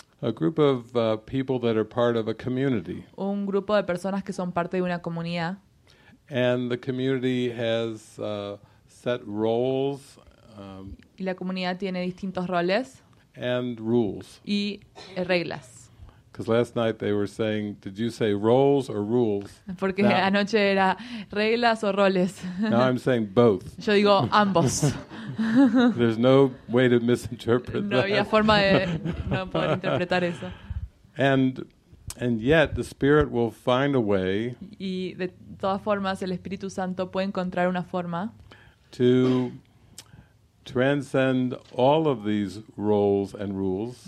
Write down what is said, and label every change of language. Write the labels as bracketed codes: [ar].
[en] a group of people that are part of a community. [es] Un grupo de personas que son parte de una comunidad. [en] And the community has set roles. [es] Y la comunidad tiene distintos roles. [en] And rules. [es] Y reglas. [en] Because last night they were saying, did you say roles or rules? [es] Porque now, anoche era reglas o roles. [en] Now I'm saying both. [es] Yo digo ambos. [en] There's no way to misinterpret [es] that. No había forma de no poder interpretar eso. [en] And yet the Spirit will find a way. [es] Y de todas formas el Espíritu Santo puede encontrar una forma. [en] To transcend all of these roles and rules.